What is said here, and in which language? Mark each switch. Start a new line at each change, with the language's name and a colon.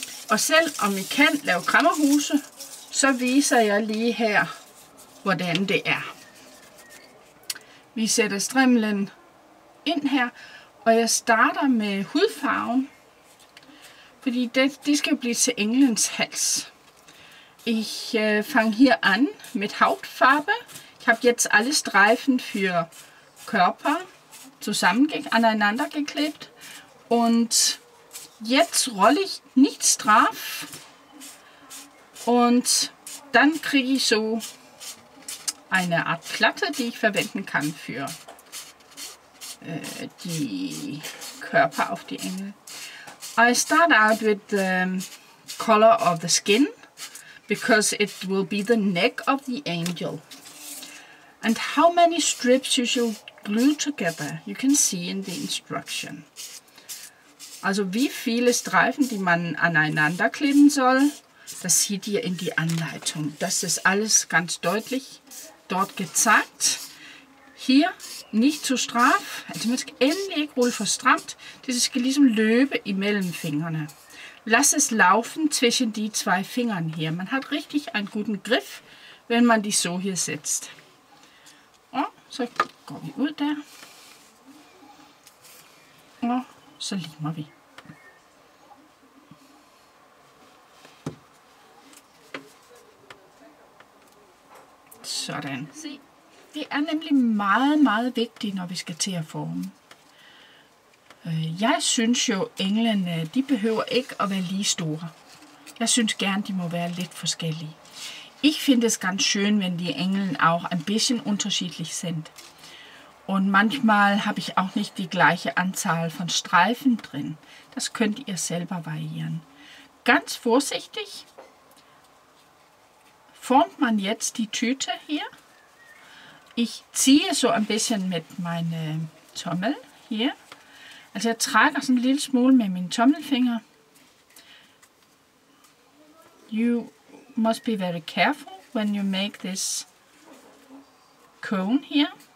Danish: Og selv om I kan lave krammerhuse, så viser jeg lige her, hvordan det er. Vi sætter strimlen ind her, og jeg starter med hudfarven, fordi det skal blive til englens hals.
German: Ich fange hier an mit Hautfarbe. Ich habe jetzt alle Streifen für Körper aneinander geklebt. Und jetzt rolle ich nicht straff, und dann kriege ich so eine Art Platte, die ich verwenden kann für die Körper auf die Engel.
English: I start out with the color of the skin, because it will be the neck of the angel. And how many strips you should glue together, you can see in the instruction.
German: Also wie viele Streifen, die man aneinander kleben soll, das seht ihr in die Anleitung. Das ist alles ganz deutlich dort gezeigt. Hier nicht zu straff, also
Danish: man skal endelig ikke rulle for stramt, det skal ligesom løbe imellem fingrene.
German: Lass es laufen zwischen die zwei Fingern hier. Man hat richtig einen guten Griff, wenn man die so hier setzt.
Danish: Og så går vi ud der. Og så limer vi. Sådan. Se, det er nemlig meget, meget vigtigt, når vi skal til at forme. Jeg synes jo, englene, de behøver ikke at være lige store. Jeg synes gerne, de må være lidt forskellige.
German: Ich finde es ganz schön, wenn die Engel auch ein bisschen unterschiedlich sind. Und manchmal habe ich auch nicht die gleiche Anzahl von Streifen drin. Das könnt ihr selber variieren. Ganz vorsichtig formt man jetzt die Tüte hier. Ich ziehe so ein bisschen mit meinem Tommel hier.
Danish: Also jeg trækker sådan en lille smule med min tommelfinger.
English: You must be very careful when you make this cone here.